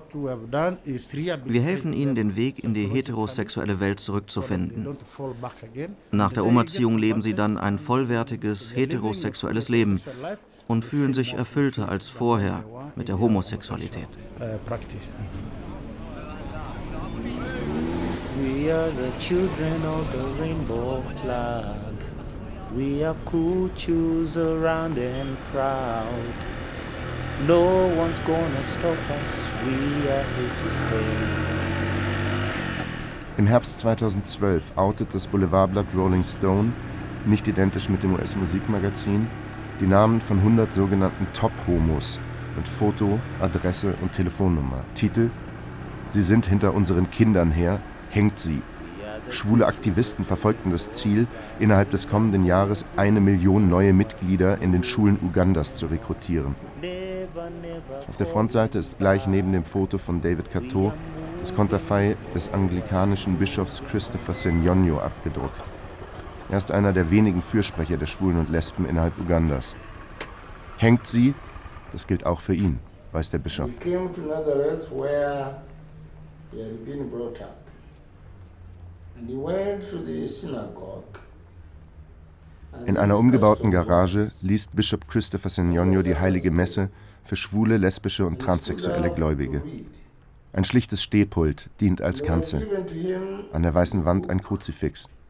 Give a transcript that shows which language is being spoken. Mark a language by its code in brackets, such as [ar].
[de] Wir helfen ihnen, den Weg in die heterosexuelle Welt zurückzufinden. Nach der Umerziehung leben sie dann ein vollwertiges heterosexuelles Leben und fühlen sich erfüllter als vorher mit der Homosexualität. [en] We are the children of the rainbow flag. We are coochus around and proud. No one's gonna stop us, we are here to stay. [de] Im Herbst 2012 outet das Boulevardblatt Rolling Stone, nicht identisch mit dem US-Musikmagazin, die Namen von 100 sogenannten Top-Homos mit Foto, Adresse und Telefonnummer. Titel: Sie sind hinter unseren Kindern her, hängt sie. Schwule Aktivisten verfolgten das Ziel, innerhalb des kommenden Jahres 1 Million neue Mitglieder in den Schulen Ugandas zu rekrutieren. Auf der Frontseite ist gleich neben dem Foto von David Kato das Konterfei des anglikanischen Bischofs Christopher Senyonyo abgedruckt. Er ist einer der wenigen Fürsprecher der Schwulen und Lesben innerhalb Ugandas. Hängt sie, das gilt auch für ihn, weiß der Bischof. [en] He came to Nazareth where he had been brought up. And he went to the synagogue. [de] In einer umgebauten Garage liest Bischof Christopher Senyonyo die heilige Messe für schwule, lesbische und transsexuelle Gläubige. Ein schlichtes Stehpult dient als Kanzel. An der weißen Wand ein Kruzifix.